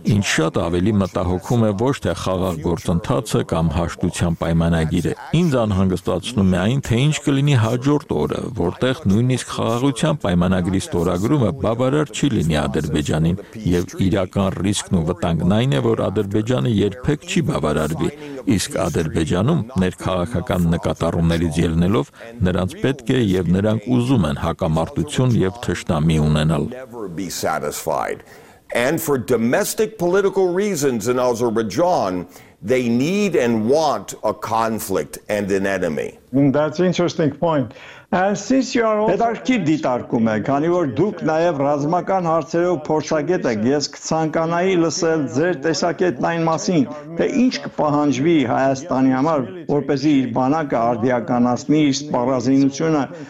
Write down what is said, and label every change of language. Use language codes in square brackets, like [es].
[hy] ինչ շատ ավելի մտահոգում է ոչ թե խաղաղ գործընթացը կամ հաշտության պայմանագիրը, գիրը։ Ինձ անհանգստացնում է այն, թե ինչ կլինի հաջորդ օրը, որտեղ նույնիսկ խաղաղության պայմանագրի ստորագրումը բավարար չի լինի Ադրբեջանին, եւ իրական ռիսկն ու վտանգն այն է, որ Ադրբեջանը երբեք չի բավարարվի, իսկ Ադրբեջանում ներքաղաքական նկատառումներից ելնելով նրանց պետք է եւ նրանք ուզում են հակամարտություն եւ թշնամի ունենալ։ [en] And for domestic political reasons in Azerbaijan, They need and want a conflict and an enemy. That's an interesting point. [hy] Հետաքրքիր դիտարկում եք, քանի որ դուք նաև ռազմական հարցերով փորձագետ եք, ես կցանկանայի լսել ձեր տեսակետն այն մասին, թե ինչ կպահանջվի Հայաստանի համար, որպեսզի իր բանակը արդիականացնի իր սպառազինությունը,